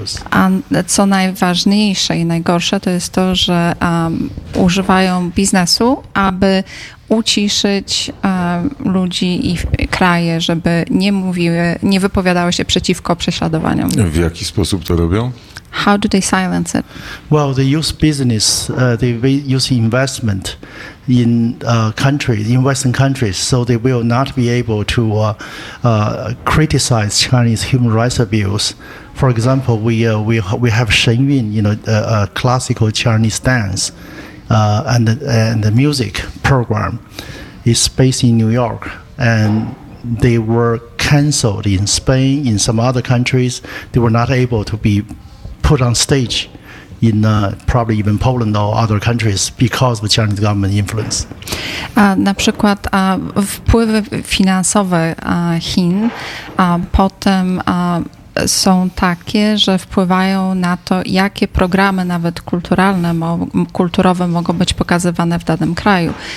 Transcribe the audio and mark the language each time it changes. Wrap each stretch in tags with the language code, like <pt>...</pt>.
<pl>A co najważniejsze i najgorsze to jest to, że używają biznesu, aby uciszyć ludzi i kraje, żeby nie wypowiadały się przeciwko prześladowaniom. W jaki sposób to robią?</pl> <en>How do they silence it? Well, they use business, they use investment in countries, in Western countries, so they will not be able to criticize Chinese human rights abuse. For example, we have Shenyun, you know, a classical Chinese dance and the music program is based in New York, and they were canceled in Spain, in some other countries. They were not able to be put on stage in probably even Poland or other countries because of Chinese government influence.</en> <pl>Na przykład wpływy finansowe Chin potem są takie, że wpływają na to, jakie programy nawet kulturowe mogą być pokazywane w danym kraju.</pl>